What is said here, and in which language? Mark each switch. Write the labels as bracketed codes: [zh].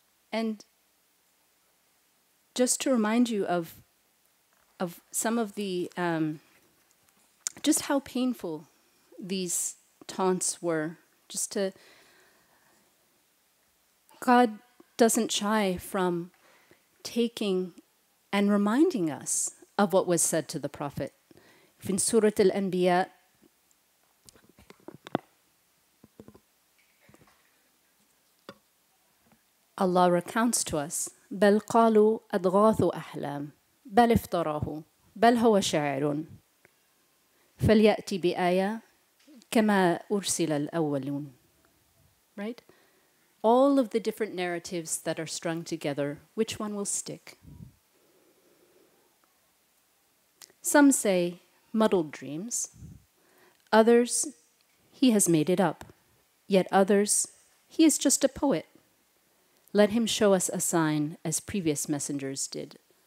[en] And just to remind you of some of the, just how painful these taunts were, just to, God doesn't shy from taking and reminding us of what was said to the Prophet. In Surah Al-Anbiya, Allah recounts to us, [ar] بَلْ قَالُوا أَضْغَاثُ أَحْلَامٍ بَلْ افْتَرَاهُ بَلْ هُوَ شَاعِرٌ فَلْيَأْتِ بِآيَةٍ كَمَا أُرْسِلَ الْأَوَّلُونَ. [en] Right? All of the different narratives that are strung together, which one will stick? Some say muddled dreams. Others, he has made it up. Yet others, he is just a poet. Let him show us a sign as previous messengers did.